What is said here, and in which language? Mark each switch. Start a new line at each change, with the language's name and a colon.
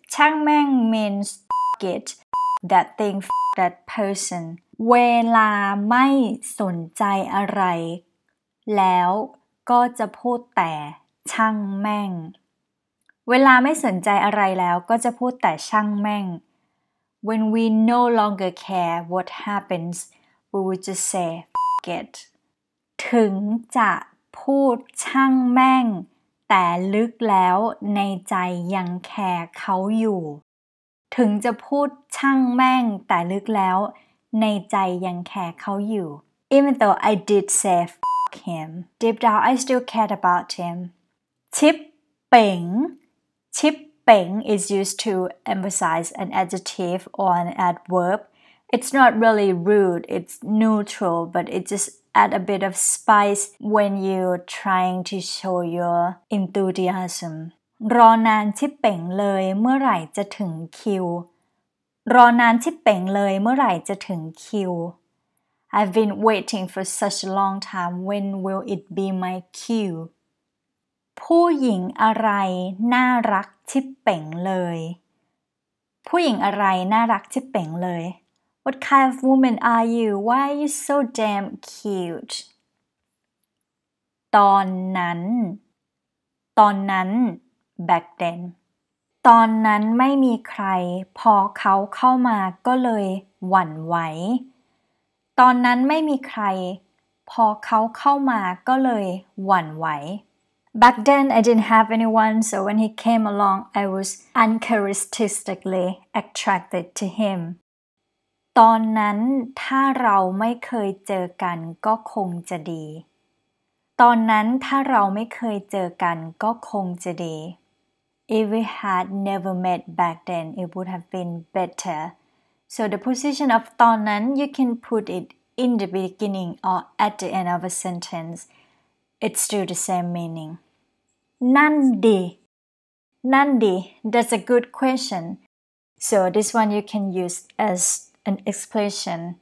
English: Chang meng means f*** it, that thing, f*** that person.
Thai: เวลาไม่สนใจอะไรแล้วก็จะพูดแต่ชังแม่งเวลาไม่สนใจอะไรแล้วก็จะพูดแต่ชังแม่ง
English: When we no longer care what happens, we will just say "f*** it."
Thai: ถึงจะพูดช่างแม่งแต่ลึกแล้วในใจยังแคร์เขาอยู่ถึงจะพูดช่างแม่งแต่ลึกแล้วในใจยังแคร์เขาอยู่
English: Even though I did say "f*** him," deep down I still cared about him. ชิปเป๋งชิปBeng is used to emphasize an adjective or an adverb. It's not really rude, it's neutral, but it just adds a bit of spice when you're trying to show your enthusiasm.
Thai: รอนานชิปเป๋งเลยเมื่อไหร่จะถึงคิว รอนานชิปเป๋งเลยเมื่อไหร่จะถึงคิว
English: I've been waiting for such a long time, when will it be my cue?
Thai: ผู้หญิงอะไรน่ารักชิปเป๋งเลยผู้หญิงอะไรน่ารักชิปเป๋งเลย
English: What kind of woman are you? Why are you so damn cute?
Thai: ตอนนั้นตอนนั้น back then ตอนนั้นไม่มีใครพอเขาเข้ามาก็เลยหวั่นไหวตอนนั้นไม่มีใครพอเขาเข้ามาก็เลยหวั่นไหว
English: Back then, I didn't have anyone, so when he came along, I was uncharacteristically attracted to him.
Thai: ตอนนั้นถ้าเราไม่เคยเจอกันก็คงจะดีตอนนั้นถ้าเราไม่เคยเจอกันก็คงจะดี
English: If we had never met back then, it would have been better. So the position of ตอนนั้น, you can put it in the beginning or at the end of a sentence. It's still the same meaning.
Thai: นั่นดิ นั่นดิ
English: That's a good question. So this one you can use as an explanation.